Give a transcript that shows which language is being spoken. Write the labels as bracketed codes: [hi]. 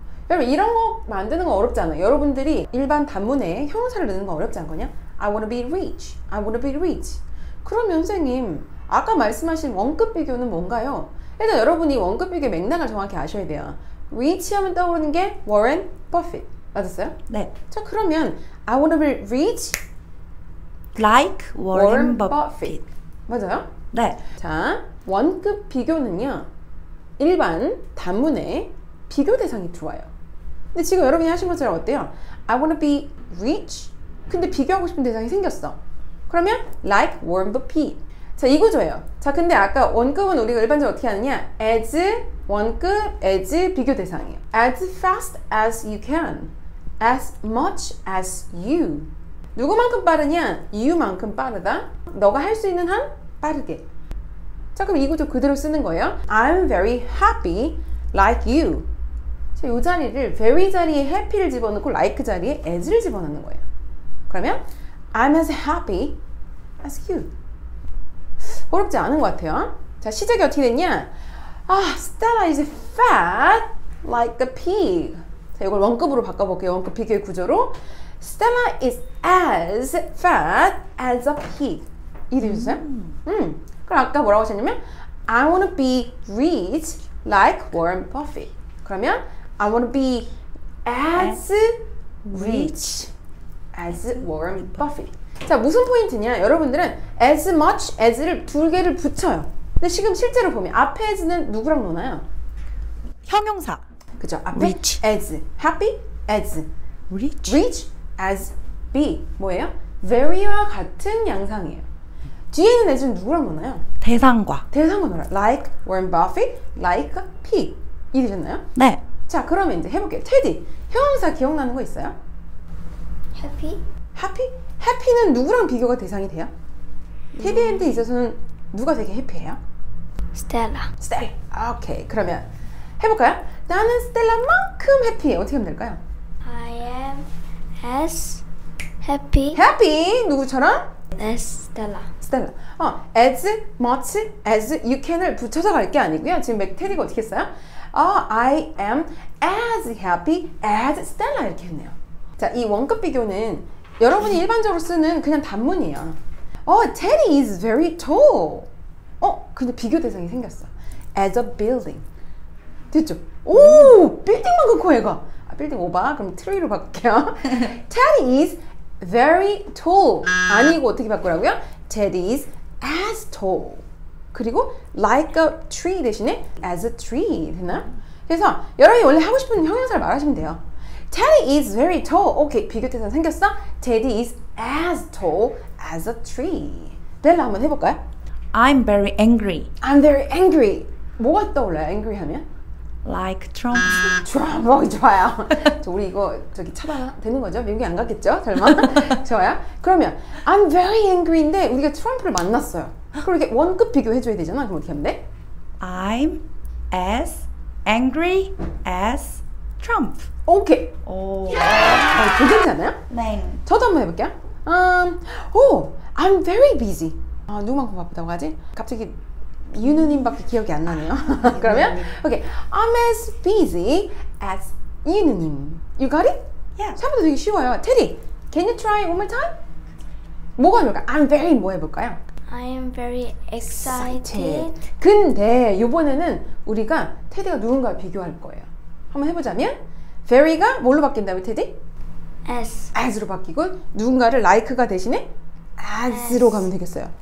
[ko] 여러분, 이런 거 만드는 거 어렵지 않아요? 여러분들이 일반 단문에 형용사를 넣는 거 어렵지 않거든요? [en] I wanna be rich. I wanna be rich. [ko] 그러면 선생님, 아까 말씀하신 원급 비교는 뭔가요? 일단 여러분이 원급 비교의 맥락을 정확히 아셔야 돼요. Rich 하면 떠오르는 게 Warren Buffett. 맞았어요? 네. 자, 그러면 [en] I wanna be rich like Warren Buffett. [ko] 맞아요? 네. 자, 원급 비교는요, 일반 단문에 비교 대상이 들어와요. 근데 지금 여러분이 하신 것처럼 어때요? [en] I wanna be rich. [ko] 근데 비교하고 싶은 대상이 생겼어. 그러면 [en] like Warren Buffett. [ko] 자, 이거죠. 자, 근데 아까 원급은 우리가 일반적으로 어떻게 하느냐? As 원급, as 비교 대상이에요. [en] As fast as you can. As much as you. [ko] 누구만큼 빠르냐? You만큼 빠르다. 너가 할 수 있는 한 빠르게. 자, 그럼 이 구조 그대로 쓰는 거예요. [en] I'm very happy like you. [ko] 자, 이 자리를 very 자리에 happy를 집어넣고 like 자리에 as를 집어넣는 거예요. [en] 그러면 I'm as happy as you. [ko] 어렵지 않은 것 같아요. 자, 시작이 어떻게 됐냐? 아, [en] Stella is fat like a pig. [ko] 자, 이걸 원급으로 바꿔볼게요. 원급 비교의 구조로 [en] Stella is as fat as a pig. [ko] 이해되셨어요? 그럼 아까 뭐라고 하셨냐면 [en] I wanna be rich like Warren Buffett. 그러면 I wanna be as rich as Warren Buffett. [ko] 자, 무슨 포인트냐? 여러분들은 as much as를 두 개를 붙여요. 근데 지금 실제로 보면 앞에 as는 누구랑 놓나요? 형용사. 그죠? 앞에 [en] rich. as. Happy as. Rich. Rich as be. [ko] 뭐예요? Very와 같은 양상이에요. 뒤에는 애들은 누구랑 놀아요? 대상과. 대상과 놀아요. [en] Like Warren Buffett, like pig. [ko] 이해되셨나요? 네. 자, 그러면 이제 해볼게요. 테디, 형용사 기억나는 거 있어요? [en] Happy. Happy? [ko] Happy는 누구랑 비교가 대상이 돼요? 테디한테 있어서는 누가 되게 happy해요? [en] Stella. [ko] Stella. 오케이. 그러면 해볼까요? 나는 Stella만큼 happy해. 어떻게 하면 될까요? [en] I am as happy. [ko] Happy. 누구처럼? [en] As Stella. Stella. As much as you can [ko] 을 붙여서 갈 게 아니고요. 지금 맥테디가 어떻게 했어요? [en] I am as happy as Stella [ko] 이렇게 했네요. 자, 이 원급 비교는 여러분이 일반적으로 쓰는 그냥 단문이에요. [en] Teddy is very tall. [ko] 근데 비교 대상이 생겼어. [en] As a building. [ko] 됐죠? 오! 빌딩만큼 커 얘가. 아, 빌딩 오바. 그럼 트리로 바꿀게요. [en] Teddy is very tall. [ko] 아니고 어떻게 바꾸라고요? [en] Teddy is as tall. [ko] 그리고 [en] like a tree [ko] 대신에 [en] as a tree [ko] 되나? 그래서 여러분이 원래 하고 싶은 형용사를 말하시면 돼요. [en] Teddy is very tall. [ko] 오케이, 비교 대상 생겼어? [en] Teddy is as tall as a tree. [ko] 벨라 한번 해볼까요? [en] I'm very angry. I'm very angry. [ko] 뭐가 떠올라요? [en] Angry 하면? Like Trump. [ko] Trump, 좋아요. 저 우리 이거 저기 차단되는 거죠? 미국에 안 갔겠죠? 설마? 좋아요. 그러면 I'm very angry인데 우리가 트럼프를 만났어요. 그럼 이렇게 원급 비교해줘야 되잖아. 그럼 어떻게 하면 돼? [en] I'm as angry as Trump. [ko] 오케이. 오. 괜찮잖아요? 네. 저도 한번 해볼게요. [en] I'm very busy. [ko] 아, 누구만큼 바쁘다고 하지? 갑자기 유누님밖에 기억이 안 나네요. 그러면 오케이. Okay. [en] I'm as busy as 유누님. You got it? Yeah. [ko] 샤브도 되게 쉬워요. [en] 테디, can you try one more time? [ko] 뭐가 좋을까? [en] I'm very [ko] 뭐 해볼까요? [en] I am very excited. [ko] 근데 이번에는 우리가 테디가 누군가와 비교할 거예요. 한번 해보자면 very가 뭘로 바뀐다고 테디? [en] as. [ko] as로 바뀌고 누군가를 like가 대신에 as로 가면 되겠어요.